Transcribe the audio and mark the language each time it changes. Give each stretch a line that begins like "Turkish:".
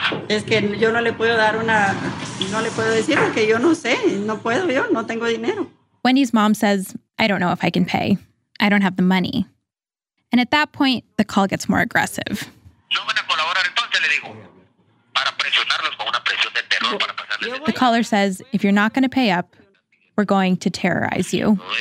Spanish: Es que yo no le puedo dar una, no le puedo decir porque yo no sé, no puedo yo, no tengo dinero.
English: Wendy's mom says, "I don't know if I can pay. I don't have the money." And at that point, the call gets more aggressive.
Spanish: No van a colaborar entonces, le digo, para presionarlos con una presión de terror para pasarles.
English: The caller says, "If you're not going to pay up, we're going to terrorize you."